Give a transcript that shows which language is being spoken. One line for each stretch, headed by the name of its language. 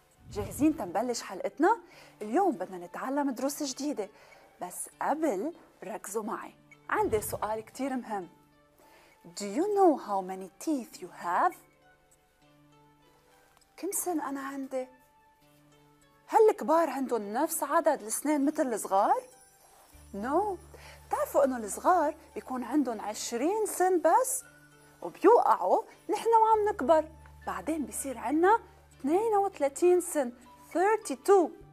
Arabic: جاهزين تنبلش حلقتنا؟ اليوم بدنا نتعلم دروس جديدة، بس قبل ركزوا معي. عندي سؤال كتير مهم.
English: Do you know how many teeth you have?
Arabic: كم سن أنا عندي؟ هل الكبار عندهم نفس عدد الأسنان مثل الصغار؟ No. تعرفوا إنه الصغار بيكون عندهم 20 سن بس؟ وبيوقعوا نحن وعم نكبر، بعدين بيصير عنا 32 سن 32.